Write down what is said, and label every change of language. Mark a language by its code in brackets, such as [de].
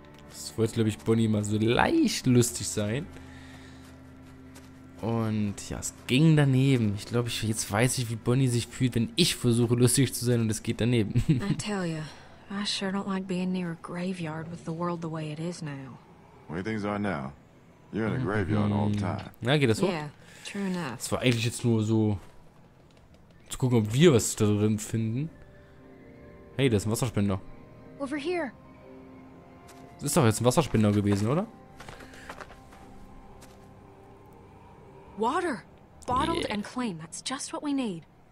[de] Das wollte, glaube ich, Bonnie mal so leicht lustig sein. Und ja, es ging daneben. Ich glaube, jetzt weiß ich, wie Bonnie sich fühlt, wenn ich versuche, lustig zu sein und es geht daneben. [en] I tell you, I sure don't like being near a graveyard with the world the way it is now. Where things are now, you're in a graveyard all the time. [de] Na, geht das hoch? [en] Yeah, true enough. [de] Es war eigentlich jetzt nur so, zu gucken, ob wir was darin finden. Hey, da ist ein Wasserspender. [en] Over here. [de] Das ist doch jetzt ein Wasserspender gewesen, oder? [en] Water, bottled and clean. That's just what we need.